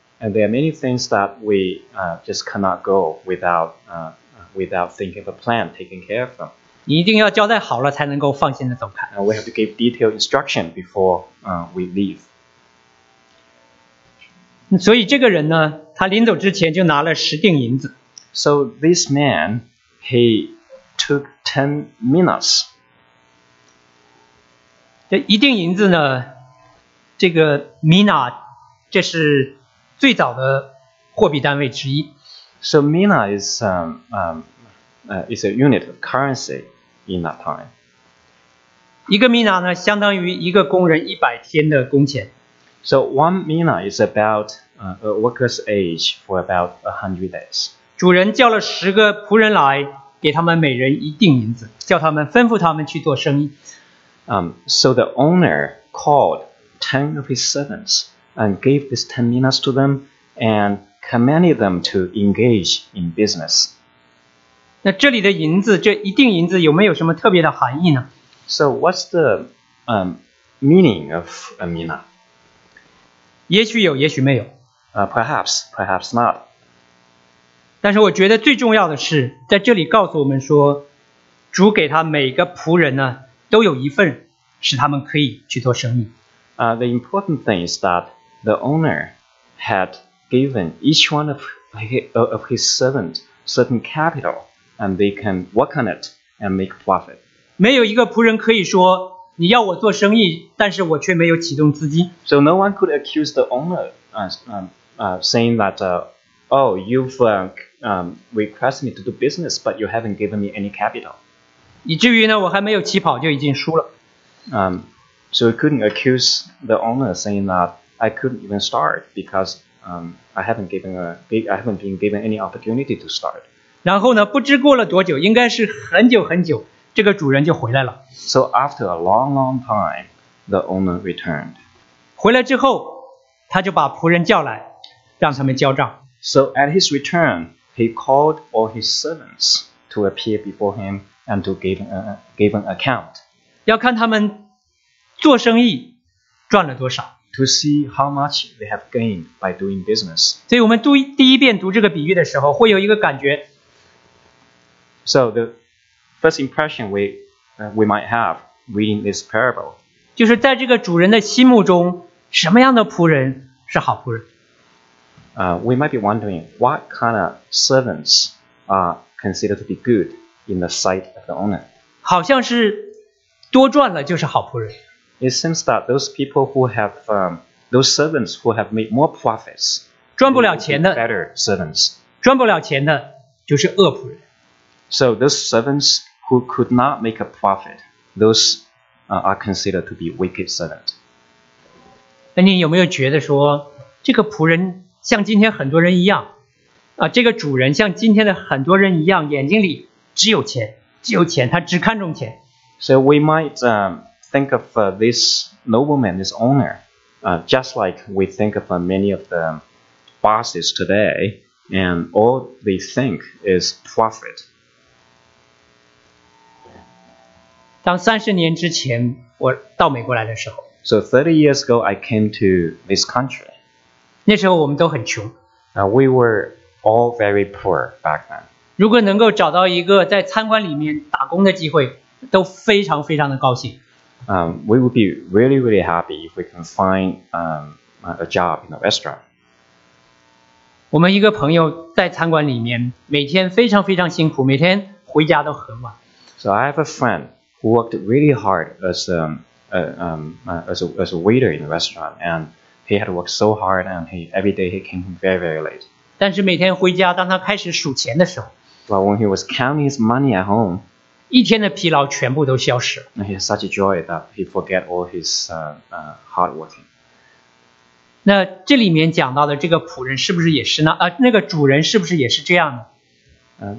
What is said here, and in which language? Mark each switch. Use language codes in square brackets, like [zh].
[en] And there are many things that we just cannot go without thinking of a plan, taking care of them. [zh] 你一定要交代好了才能够放心的走开。 [en] And we have to give detailed instruction before we leave. [zh] 所以这个人呢，他临走之前就拿了十锭银子。 [en] So this man, he took 10 minas. [zh] 这一锭银子呢，这个 mina, 这是最早的货币单位之一。 [en] So mina is a unit of currency in that time. [zh] 一个 mina 呢，相当于一个工人100天的工钱。 [en] So one mina is about a worker's age for about 100 days. [zh] 主人叫了十个仆人来，给他们每人一锭银子，叫他们吩咐他们去做生意。 [en] So the owner called 10 of his servants. And gave this 10 minas to them and commanded them to engage in business. [zh] 那这里的银子，这一锭银子有没有什么特别的含义呢？ [en] So what's the meaning of a mina? [zh] 也许有，也许没有。 [en] Perhaps, perhaps not. [zh] 但是我觉得最重要的是，在这里告诉我们说，主给他每个仆人呢，都有一份，使他们可以去做生意。 [en] The important thing is that the owner had given each one of his servants certain capital, and they can work on it and make profit. [zh] 没有一个仆人可以说，你要我做生意，但是我却没有启动资金。 [en] So no one could accuse the owner saying that, requested me to do business, but you haven't given me any capital. [zh] 以至于呢，我还没有起跑就已经输了。 [en] So he couldn't accuse the owner saying that,I couldn't even start because I haven't been given any opportunity to start. [zh] 然后呢，不知过了多久，应该是很久很久，这个主人就回来了。 [en] So after a long, long time, the owner returned. [zh] 回来之后，他就把仆人叫来，让他们交账。 [en] So at his return, he called all his servants to appear before him and to give an account. [zh] 要看他们做生意赚了多少。 [en] To see how much they have gained by doing business. [zh] 所以我们读第一遍读这个比喻的时候，会有一个感觉。 [en] So the first impression we might have reading this parable. [zh] 就是在这个主人的心目中，什么样的仆人是好仆人？ [en] We might be wondering what kind of servants are considered to be good in the sight of the owner. [zh] 好像是多赚了就是好仆人。 [en] It seems that those people who have those servants who have made more profits, [zh] 赚不了钱的 [en] better servants, [zh] 赚不了钱的就是恶仆人。 [en] So those servants who could not make a profit, those are considered to be wicked servants. [zh] 那你有没有觉得说这个仆人像今天很多人一样啊？这个主人像今天的很多人一样，眼睛里只有钱，只有钱，他只看重钱。 [en] So we might think of this nobleman, this owner, just like we think of many of the bosses today, and all they think is profit. [zh] 当30年之前我到美国来的时候， [en] So 30 years ago I came to this country. [zh] 那时候我们都很穷。 [en] We were all very poor back then. [zh] 如果能够找到一个在餐馆里面打工的机会，都非常非常的高兴。 [en] We would be really, really happy if we can find a job in a restaurant. [zh] 我们一个朋友在餐馆里面每天非常非常辛苦，每天回家都很晚。 [en] So I have a friend who worked really hard as a waiter in a restaurant, and he had worked so hard, and every day he came home very, very late. [zh] 但是每天回家，当他开始数钱的时候 [en] ，But when he was counting his money at home. [zh] 一天的疲劳全部都消失。 [en] He has such joy that he forget all his hard working. [zh] 那这里面讲到的这个仆人是不是也是呢？那个主人是不是也是这样呢？